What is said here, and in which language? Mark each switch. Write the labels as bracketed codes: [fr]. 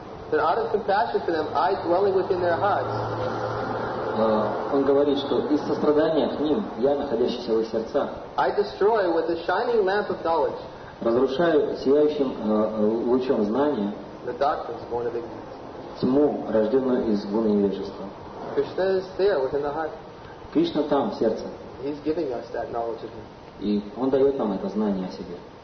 [en] That out of compassion for them, I dwelling within their hearts. [ru] Он говорит, что из сострадания к ним, я, находящийся в их сердцах, [en] I destroy with the shining lamp of knowledge, [ru] разрушаю сияющим лучом знания, [en] the darkness born of ignorance, [ru] тьму, рожденную из гуны невежества. [en] Krishna is there within the heart. [ru] Кришна там, в сердце. [en] He's giving us that knowledge of Him. [ru] И он дает нам это знание о себе.